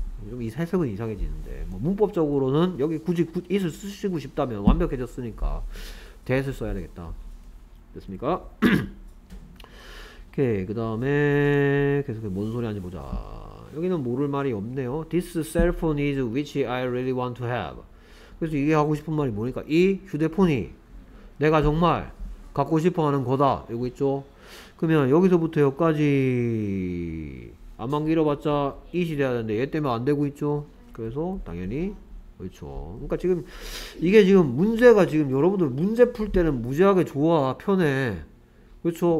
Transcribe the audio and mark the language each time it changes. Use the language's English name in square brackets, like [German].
[Korean] 좀 이 해석은 이상해지는데 뭐 문법적으로는 여기 굳이 it을 쓰시고 싶다면 완벽해졌으니까 that을 써야 되겠다. 됐습니까? 오케이. 그 다음에 계속 뭔 소리 하는지 보자. 여기는 모를 말이 없네요. [English] This cell phone is which I really want to have. [Korean] 그래서 이게 하고 싶은 말이 뭐니까? 이 휴대폰이 내가 정말 갖고 싶어하는 거다. 이거 있죠? 그러면 여기서부터 여기까지 안만 길어봤자 it이 돼야 되는데 얘 때문에 안 되고 있죠? 그래서 당연히 그렇죠. 그러니까 지금 이게 지금 문제가 지금 여러분들 문제 풀 때는 무지하게 좋아 편해. 그렇죠?